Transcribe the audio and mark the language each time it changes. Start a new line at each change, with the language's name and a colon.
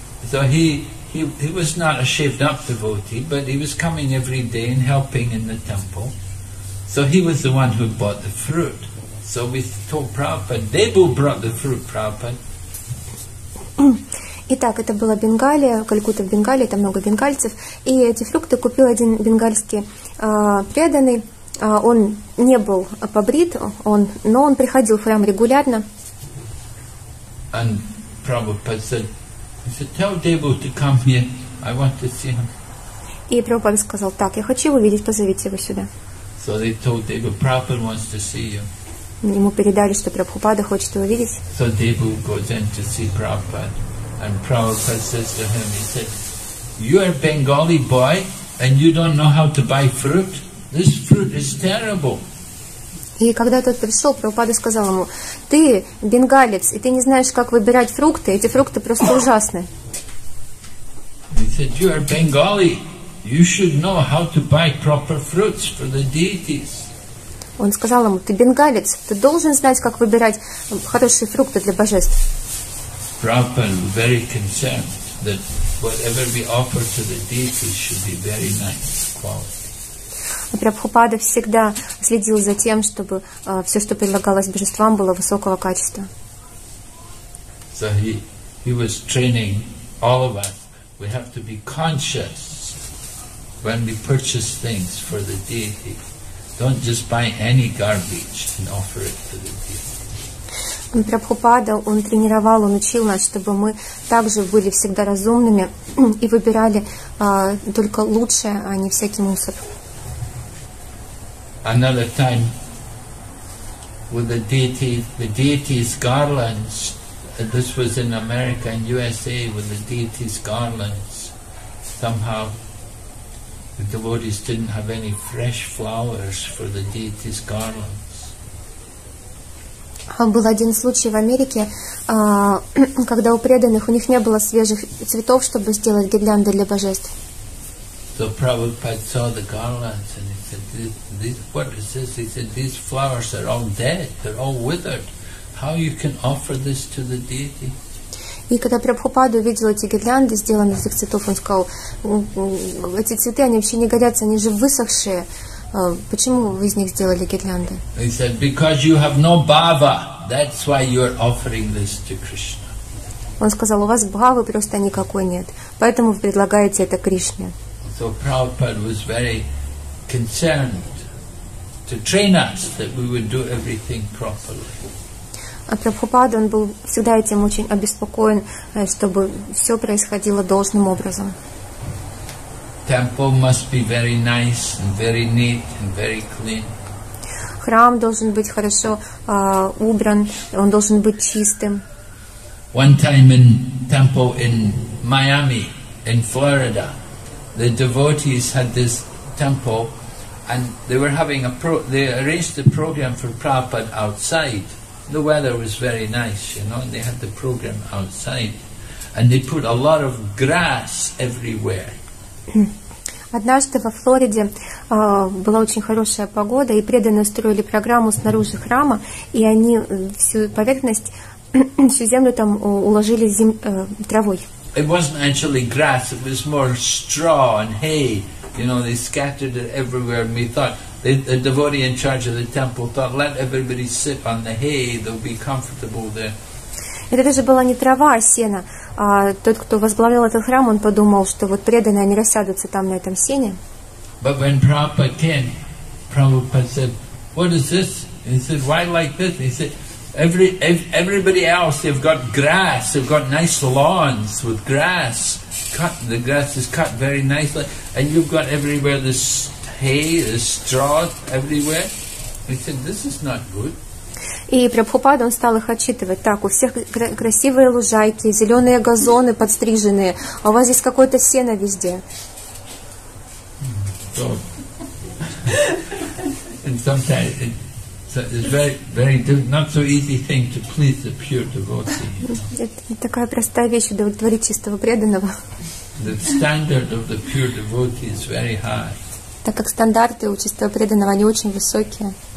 English: So he was not a shaved up devotee, but he was coming every day and helping in the temple. So he was the one who bought the fruit. So we told Prabhupada, Debu brought the fruit, Prabhupada.
Russian: Итак, это была Бенгалия, Калькутта в Бенгалии, там много бенгальцев. И эти фрукты купил один бенгальский преданный. Он не был побрит, но он приходил в храм регулярно.
English: And Prabhupada said, he said, tell Debu to come here, I want to see him.
Russian: И Прабхупада сказал: так, я хочу его видеть, позовите его сюда.
English: So they told Debu, Prabhupada wants to see you.
Russian: Ему передали, что Прабхупада хочет его видеть.
English: So Debu goes in to see Prabhupada. And Prabhupada says to him, he said, you are a Bengali boy and you don't know how to buy fruit? This fruit is terrible.
Russian: И когда тот пришел, Прабхупада сказал ему: ты бенгалец, и ты не знаешь, как выбирать фрукты, эти фрукты просто ужасны.
English: He said, you are Bengali, you should know how to buy proper fruits for the deities.
Russian: Он сказал ему: ты бенгалец, ты должен знать, как выбирать хорошие фрукты для божеств.
English: Prabhupada was very concerned that whatever we offer to the deities should be very nice quality.
Russian: Прабхупада всегда следил за тем, чтобы все, что предлагалось божествам, было высокого качества.
English: So he was training all of us. We have to be conscious when we purchase things for the deity. Don't just buy any garbage and offer it to the deity.
Russian: Прабхупада, он тренировал, он учил нас, чтобы мы также были всегда разумными и выбирали только лучшее, а не всякий мусор.
English: Another time, with the deity's garlands, this was in America and USA, with the deity's garlands, somehow the devotees didn't have any fresh flowers for the deity's garland.
Russian: Был один случай в Америке, когда у преданных, у них не было свежих цветов, чтобы сделать гирлянды для божеств.
English: So Prabhupada saw the garlands and he said, what is this? He said, these flowers are all dead, they're all withered. How you can offer this to the deity?
Russian: И когда Прабхупада увидел эти гирлянды, сделанные из этих цветов, он сказал: эти цветы, они вообще не годятся, они же высохшие. Почему вы из них сделали гирлянды?
English: He said, because you have no bhava, that's why you are offering this to Krishna.
Russian: Он сказал: у вас бхавы просто никакой нет, поэтому вы предлагаете это Кришне.
English: So Prabhupada was very concerned to train us that we would do everything properly.
Russian: А Прабхупада, он был всегда этим очень обеспокоен, чтобы все происходило должным образом.
English: Temple must be very nice and very neat and very clean.
Russian: Храм должен быть хорошо убран, он должен быть чистым.
English: One time in temple in Miami, in Florida, the devotees had this temple and they were having they arranged the program for Prabhupada outside. The weather was very nice, you know, and they had the program outside. And they put a lot of grass everywhere.
Russian: Однажды во Флориде была очень хорошая погода, и преданные устроили программу снаружи храма, и они всю поверхность, всю землю там уложили травой.
English: It wasn't actually grass, it was more straw and hay. You know, they scattered it everywhere, and we thought, the devotee in charge of the temple thought, let everybody sit on the hay, they'll be comfortable there.
Russian: Это даже была не трава, а сено. А тот, кто возглавлял этот храм, он подумал, что вот преданные, они рассядутся там на этом сене.
English: But when Prabhupada came, Prabhupada said, what is this? He said, why like this? He said, everybody else, they've got grass, they've got nice lawns with grass. Cut, the grass is cut very nicely. And you've got everywhere this hay, this straw, everywhere. said, this is not good.
Russian: И Прабхупада, он стал их отчитывать. Так, у всех красивые лужайки, зеленые газоны подстриженные, а у вас здесь какое-то сено везде. Это не такая простая вещь удовлетворить чистого преданного.
English: The standard of the pure devotee is very high.
Russian: Так как стандарты у чистого преданного, они очень высокие.